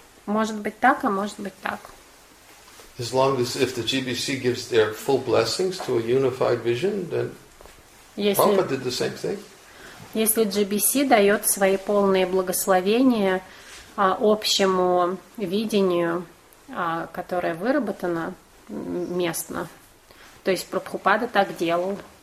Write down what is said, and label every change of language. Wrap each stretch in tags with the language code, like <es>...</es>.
<ru>Может быть так, а может быть так.</ru> <en>As long as if the GBC gives their full blessings to a unified vision, then Prabhupada did the same thing.</en> <ru>Если GBC дает свои полные благословения общему видению, которое выработано местно, то есть Прабхупада так делал.</ru>